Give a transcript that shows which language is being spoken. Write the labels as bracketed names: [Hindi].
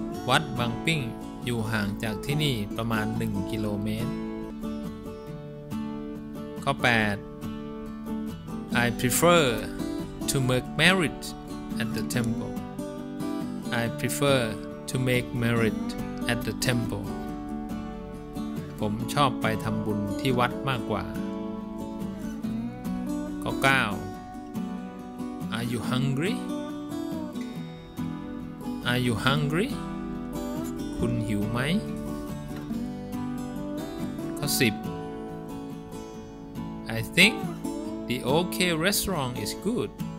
[Thai] วัดบางปิ้งอยู่ห่างจากที่นี่ประมาณ1กิโลเมตรข้อ8 [English] I prefer to make merit at the temple. I prefer to make merit at the temple. [Thai] ผมชอบไปทำบุญที่วัดมากกว่าข้อ9 [English] Are you hungry? Are you hungry? [Thai] คุณหิวไหม ข้อ 10 [English] I think the OK restaurant is good.